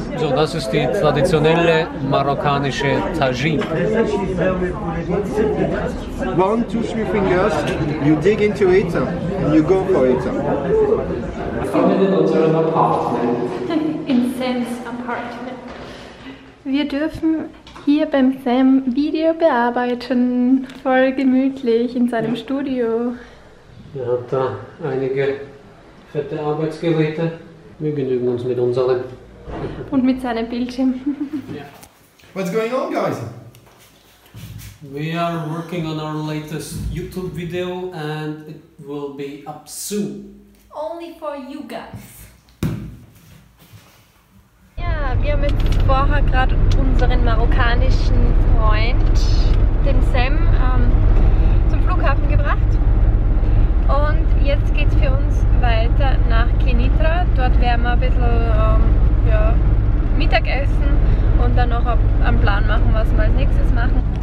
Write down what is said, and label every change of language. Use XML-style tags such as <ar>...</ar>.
<de>So das ist die traditionelle marokkanische tagine.</de> <en>1, 2, 3 fingers, you dig into it, and you go for it. In Sam's apartment.</en> <de>Wir dürfen hier beim Sam Video bearbeiten, voll gemütlich in seinem Studio. Er hat da einige fette Arbeitsgeräte. Wir genügen uns mit unserem. Und mit seinem Bildschirm.</de> <en>Yeah. What's going on, guys? We are working on our latest YouTube video and it will be up soon. Only for you guys.</en> <de>Ja, wir haben jetzt vorher gerade unseren marokkanischen Freund, den Sam, zum Flughafen gebracht. Und jetzt geht's für uns weiter nach Kenitra. Dort werden wir ein bisschen Mittagessen und dann noch einen Plan machen, was wir als nächstes machen.</de>